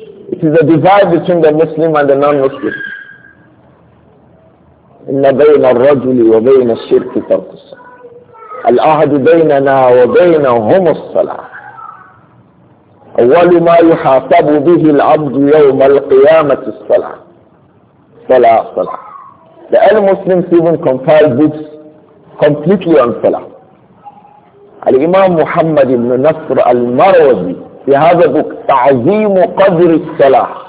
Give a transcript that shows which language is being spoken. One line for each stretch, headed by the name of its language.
English: It is a divide between the Muslim and the non-Muslim.
Arabic: إِنَّ بَيْنَ الرَّجُلِ وَبَيْنَ الشِّرْكِ تَرْكُ الصَّلَاةِ الْأَهْدُ بَيْنَنَا وَبَيْنَهُمُ الصَّلَاةِ أَوَّلُ مَا يُحَاسَبُ بِهِ الْعَبْدُ يَوْمَ الْقِيَامَةِ الصَّلَاةِ صَلَاةِ
English: The early Muslims even compiled books completely on salah. Al-Imam Muhammad ibn Nasr al-Marwazi, he has a book, تعظيم قدر الصلاة.